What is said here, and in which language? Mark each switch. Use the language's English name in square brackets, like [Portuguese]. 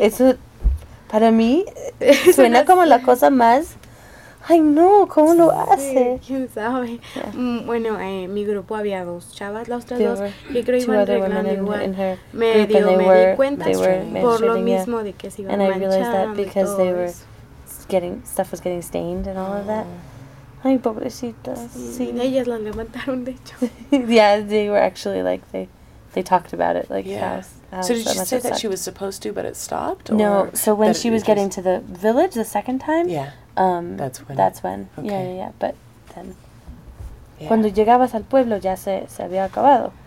[Spanish] Eso para mí suena como la cosa más. Ay, no, ¿cómo lo hace? Sí, quién sabe. Yeah. Bueno, mi grupo había dos chavas, las otras dos, que creo iban arreglando igual. Me di cuenta por lo mismo de que se iban manchando y todo eso. [English] Stuff was getting stained and all of that. [Spanish] Ay, pobrecitas. Sí, ellas la levantaron, de hecho. [English] Yeah, they were actually like, they talked about it. Like, Did she say that she was supposed to, but it stopped? No, so when she was getting to the village the second time, yeah, That's when. Okay. Yeah. But then. Yeah. [Spanish] Cuando llegabas al pueblo, ya se había acabado.